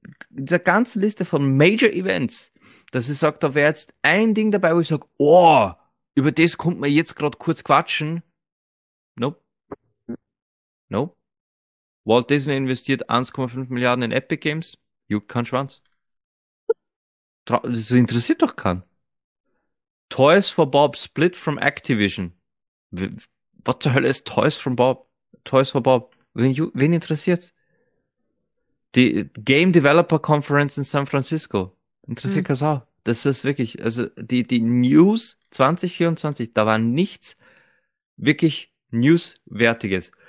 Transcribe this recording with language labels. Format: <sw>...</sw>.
<de>in dieser ganzen Liste von Major Events, dass ich sage, da wäre jetzt ein Ding dabei, wo ich sage, oh, über das kommt man jetzt gerade kurz quatschen. Nope. Walt Disney investiert 1,5 Milliarden in Epic Games. Juckt kein Schwanz. Das interessiert doch keinen.</de> <en>Toys for Bob split from Activision.</en> <de>Was zur Hölle ist Toys for Bob? Toys for Bob. Wen interessiert's? Die Game Developer Conference in San Francisco. Interessiert keinen Sau. Das ist wirklich, also die News 2024, da war nichts wirklich Newswertiges.</de>